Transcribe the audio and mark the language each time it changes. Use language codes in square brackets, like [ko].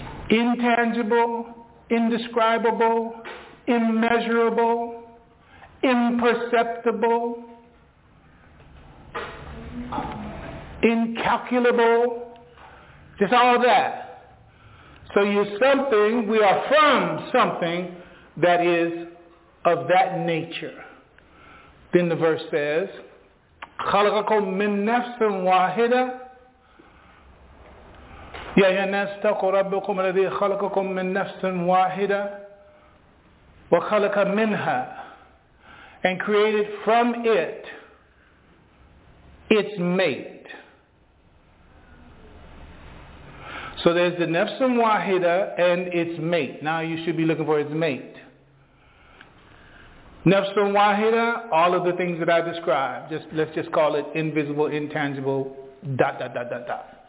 [en] Intangible, indescribable, immeasurable, imperceptible, incalculable, just all that. So you're something, we are from something that is of that nature. Then the verse says, [ar] خَلَقَكُمْ مِنْ نَفْسٍ وَاحِدَةٍ يَا أَيُّهَا النَّاسُ اتَّقُوا رَبَّكُمْ الَّذِي خَلَقَكُمْ مِنْ نَفْسٍ وَاحِدَةٍ وَخَلَقَ مِنْهَا, [en] and created from it its mate. So there's the [ar] نَفْسٍ وَاحِدَةٍ [en] and its mate. Now you should be looking for its mate. Nafsun wahida, all of the things that I described. Just, let's just call it invisible, intangible, dot, dot, dot, dot, dot.